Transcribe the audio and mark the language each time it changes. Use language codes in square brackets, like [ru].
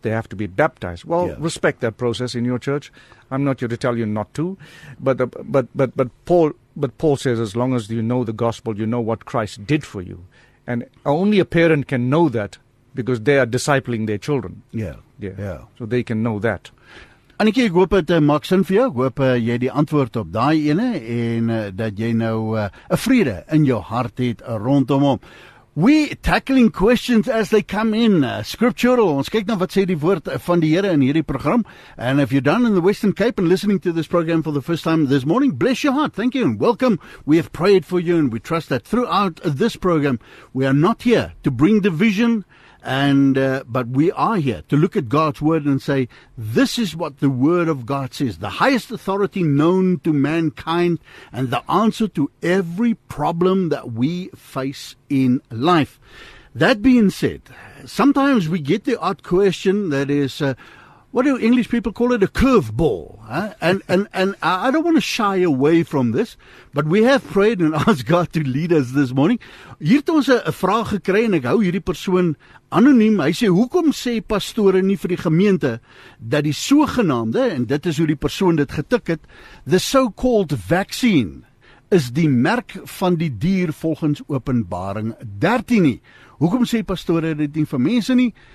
[en] They have to be baptized. Well, respect that process in your church. I'm not here to tell you not to. But Paul says, as long as you know the gospel, you know what Christ did for you. And only a parent can know that, because they are discipling their children. Yeah. So they can know that. [af] Annetjie, ek hoop het maak sin vir jou, ek hoop jy die antwoord op daai ene en dat jy nou 'n vrede in jou hart het rondom hom. [en] We tackling questions as they come in. Scriptural. [af] Ons kyk nou wat sê die woord van die Here in hierdie program. [en] And if you're down in the Western Cape and listening to this program for the first time this morning, bless your heart. Thank you and welcome. We have prayed for you, and we trust that throughout this program, we are not here to bring division, but we are here to look at God's word and say, this is what the word of God says, the highest authority known to mankind and the answer to every problem that we face in life. That being said, sometimes we get the odd question that is, what do English people call it? A curveball. And I don't want to shy away from this, but we have prayed and asked God to lead us this morning. [af] Hier het ons 'n vraag gekry, en ek hou hierdie persoon anoniem. Hy sê, hoekom sê pastore nie vir die gemeente dat die sogenaamde, en dit is hoe die persoon dit getik het, [en] the so-called vaccine [af] is die merk van die dier volgens Openbaring 13 nie? Hoekom sê pastore dit nie vir mense nie?